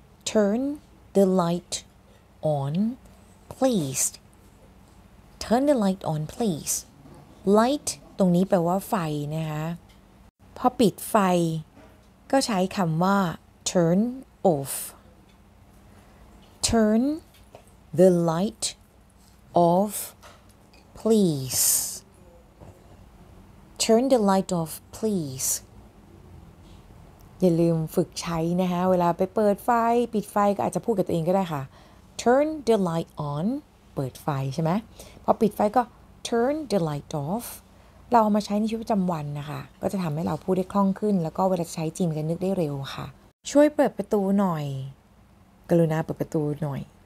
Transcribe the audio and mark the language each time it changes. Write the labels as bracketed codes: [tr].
[en] turn the light on please turn the light on please light [th] ตรงนี้แปลว่าไฟนะคะพอปิดไฟก็ใช้คำว่า [en] turn off turn the light off pleaseTurn the light off, please. [th] อย่าลืมฝึกใช้นะคะเวลาไปเปิดไฟปิดไฟก็อาจจะพูดกับตัวเองก็ได้ค่ะ [en] Turn the light on. [th] เปิดไฟใช่ไหมพอปิดไฟก็ [en] Turn the light off. [th] เราเอามาใช้ในชีวิตประจำวันนะคะก็จะทำให้เราพูดได้คล่องขึ้นแล้วก็เวลาใช้จริงกันนึกได้เร็วค่ะช่วยเปิดประตูหน่อยกรุณาเปิดประตูหน่อย